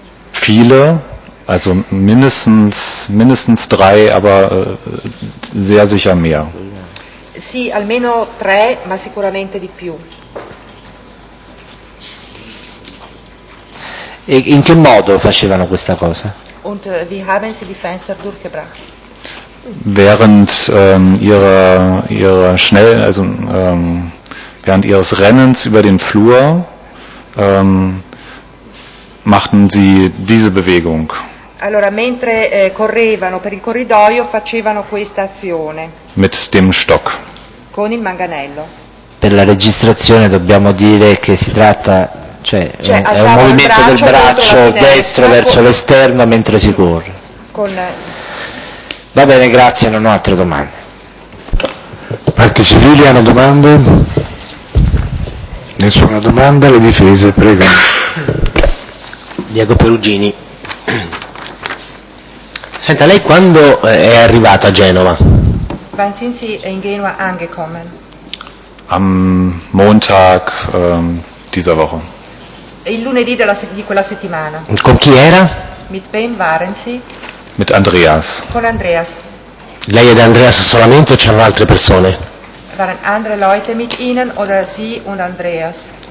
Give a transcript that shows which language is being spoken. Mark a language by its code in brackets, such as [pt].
[de] Viele. Also mindestens drei, aber sehr sicher mehr. [it] Sì, almeno tre, ma sicuramente di più. E in che modo facevano questa cosa? [de] Und wie haben sie die Fenster durchgebracht? Während während ihres Rennens über den Flur machten sie diese Bewegung. [it] Allora, mentre correvano per il corridoio, facevano questa azione. [de] Mit dem Stock. [it] Con il manganello. Per la registrazione dobbiamo dire che si tratta, cioè è un movimento del braccio destro verso l'esterno mentre si corre. Va bene, grazie, non ho altre domande. Parti civili hanno domande? Nessuna domanda, le difese, prego. Diego Perugini. Senta, lei quando è arrivato a Genova? [de] Wann sind Sie in Genua angekommen? Am Montag dieser Woche. [it] Il lunedì della di quella settimana. Con chi era? [de] Mit wem waren Sie? Mit Andreas. [it] Con Andreas. Lei ed Andreas solamente o c'erano altre persone? [de] Waren andere Leute mit Ihnen oder Sie und Andreas?